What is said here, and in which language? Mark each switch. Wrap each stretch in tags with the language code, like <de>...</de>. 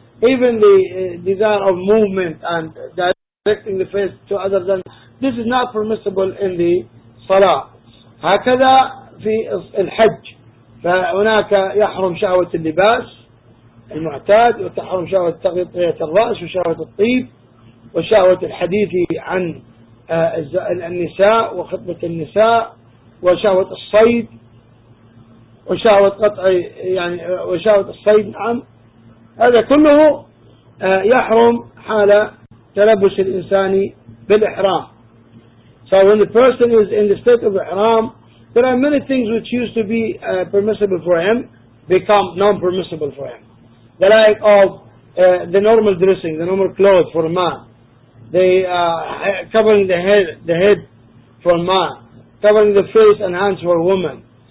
<en>Even the desire of movement and directing the face to other than this is not permissible in the صلاة.</en> <ar>هكذا في الحج، فهناك يحرم شهوة اللباس المعتاد، وتحرم شهوة تغطية الرأس، وشهوة الطيب، وشهوة الحديث عن النساء وخطبة النساء، وشهوة الصيد، وشهوة قطع وشهوة الصيد. نعم، هذا كله يحرم حال تلبس الإنسان بالإحرام.</ar> <en>So when the person is in the state of ihram, there are many things which used to be permissible for him become non-permissible for him. The like of the normal dressing, the normal clothes for a man, the covering the head for a man, covering the face and hands for a woman.</en>